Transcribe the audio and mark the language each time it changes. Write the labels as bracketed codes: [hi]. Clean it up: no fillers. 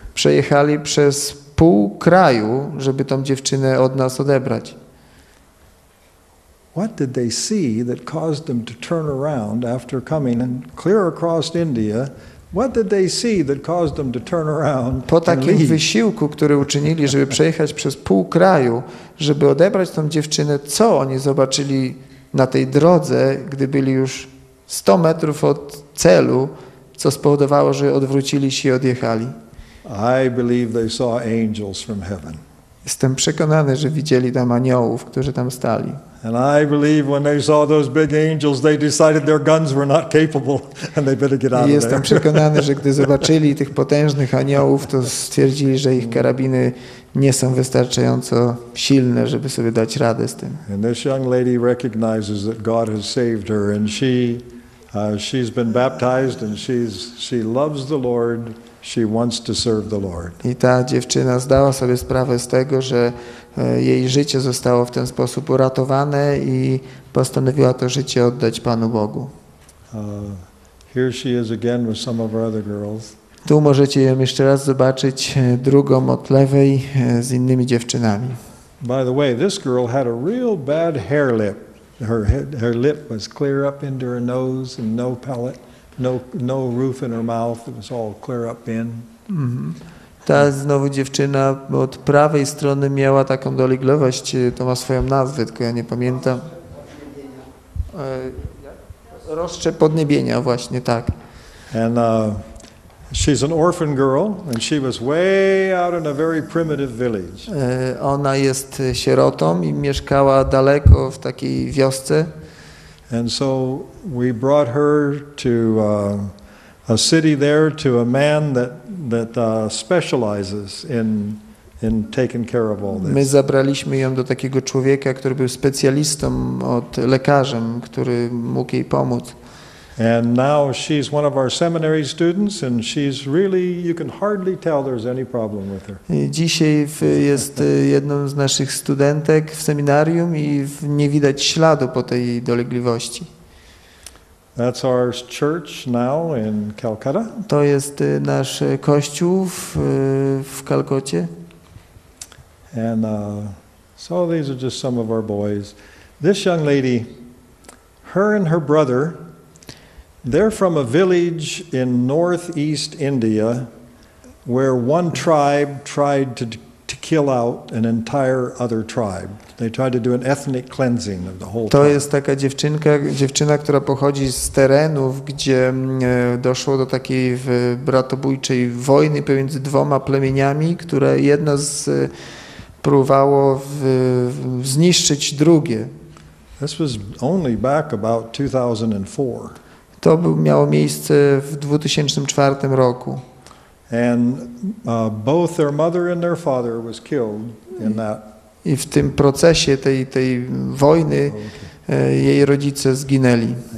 [pl] Przejechali przez pół kraju, żeby tą dziewczynę od nas odebrać. [en] What did they see that caused them to turn around after coming and clear across India? What did they see that caused them to turn around? [pl] Po takim wysiłku, który uczynili, żeby przejechać przez pół kraju, żeby odebrać tą dziewczynę, co oni zobaczyli na tej drodze, gdy byli już 100 metrów od celu, co spowodowało, że odwrócili się i odjechali? [en] I believe they saw angels from heaven. [pl] Jestem przekonany, że widzieli tam aniołów, którzy tam stali. [en] And I believe when they saw those big angels, they decided their guns were not capable, and they better get out of there. [pl] Jestem przekonany, że gdy zobaczyli tych potężnych aniołów, to stwierdzili, że ich karabiny nie są wystarczająco silne, żeby sobie dać radę z tym. [en] And this young lady recognizes that God has saved her, and she's been baptized, and she loves the Lord. She wants to serve the Lord. [pl] I ta dziewczyna zdała sobie sprawę z tego, że jej życie zostało w ten sposób uratowane i postanowiła to życie oddać Panu Bogu. [en] Here she is again with some of our other girls. [pl] Tu możecie ją jeszcze raz zobaczyć, drugą od lewej, z innymi dziewczynami. [en] By the way, this girl had a real bad hair lip. Her lip was clear up into her nose and no palate. No roof in her mouth, it was all clear up in. Mm-hmm. [pl] Ta znowu dziewczyna od prawej strony miała taką dolegliwość, to ma swoją nazwę, tylko ja nie pamiętam. Rozszczep podniebienia, właśnie tak. [en] And she's an orphan girl and she was way out in a very primitive village. [pl] Ona jest sierotą i mieszkała daleko w takiej wiosce. [en] And so we brought her to a city there to a man that specializes in taking care of all this. [pl] My zabraliśmy ją do takiego człowieka, który był specjalistą, od lekarzem, który mógł jej pomóc. [en] And now she's one of our seminary students and she's really, you can hardly tell there's any problem with her. [pl] Dzisiaj jest jedną z naszych studentek w seminarium i nie widać śladu po tej dolegliwości. [en] That's our church now in Calcutta. [pl] To jest nasz kościół w Kalkocie. [en] And so these are just some of our boys. This young lady, her and her brother, they're from a village in northeast India where one tribe tried to kill out an entire other tribe. They tried to do an ethnic cleansing of the whole tribe. [pl] To jest taka dziewczyna, która pochodzi z terenów, gdzie doszło do takiej bratobójczej wojny pomiędzy dwoma plemieniami, które jedno próbowało zniszczyć drugie. [en] This was only back about 2004. [pl] To miało miejsce w 2004 roku. [en] And both their mother and their father was killed in that. [pl] I w tym procesie tej wojny jej rodzice zginęli.